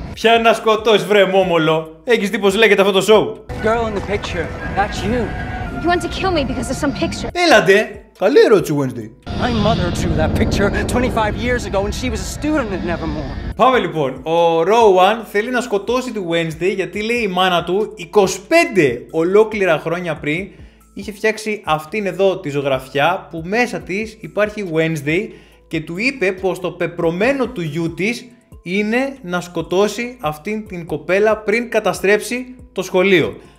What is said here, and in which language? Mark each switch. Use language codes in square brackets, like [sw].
[el] Ποια να σκοτώσεις βρε μόμολο. Έχεις δει πως λέγεται αυτό το show? [en] Girl in the picture, that's you. You want to kill me because of some picture. [el] Έλατε. Καλή ερώτηση, Wednesday. [en] My mother drew that picture 25 years ago and she was a student at Nevermore. [el] Πάμε λοιπόν. Ο Rowan θέλει να σκοτώσει τη Wednesday γιατί λέει η μάνα του 25 ολόκληρα χρόνια πριν είχε φτιάξει αυτήν εδώ τη ζωγραφιά που μέσα της υπάρχει Wednesday και του είπε πως το πεπρωμένο του γιού της είναι να σκοτώσει αυτήν την κοπέλα πριν καταστρέψει το σχολείο.